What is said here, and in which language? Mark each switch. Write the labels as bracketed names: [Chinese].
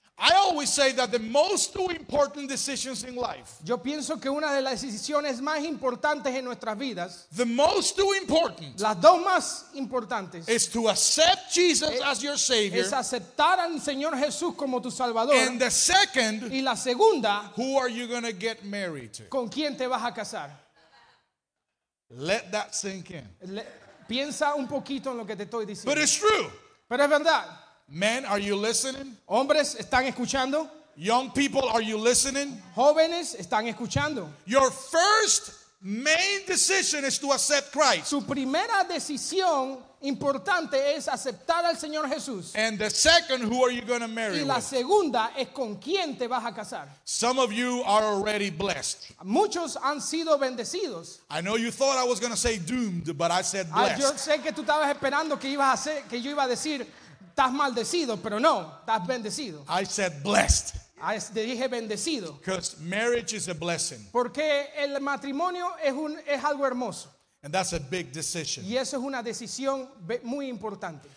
[English] I always say that the most two important decisions in life. [Spanish] Yo pienso que una de las decisiones más importantes en nuestras vidas. [English] The most two important. [Spanish] Las dos más importantes. [English] Is to accept Jesus as your Savior. [Spanish] Es aceptar al Señor Jesús como tu Salvador. [English] And the second. [Spanish] Y la segunda. [English] Who are you going to get married to? [Spanish] ¿Con quién te vas a casar? [English] Let that sink in. [Spanish] Piensa un poquito en lo que te estoy diciendo. [English] But it's true. [Spanish] Pero es verdad. [English] Men, are you listening? [Spanish] Hombres, ¿están escuchando? [English] Young people, are you listening? [Spanish] Jóvenes, ¿están escuchando? [English] Your first main decision is to accept Christ. [Spanish] Su primera decisión importante es aceptar al Señor Jesús. [English] And the second, who are you going to marry? [Spanish] Y la segunda es con quién te vas a casar. [English] Some of you are already blessed. [Spanish] Muchos han sido bendecidos. [English] I know you thought I was going to say doomed, but I said blessed. [Spanish] Yo sé que tú estabas esperando que ibas a hacer, que yo iba a decir estás maldecido, pero no, estás bendecido. [English] I said blessed. [Spanish] Te dije bendecido. [English] Because marriage is a blessing. [Spanish] Porque el matrimonio es algo hermoso. [English] And that's a big decision. [Spanish] Y eso es una decisión muy importante.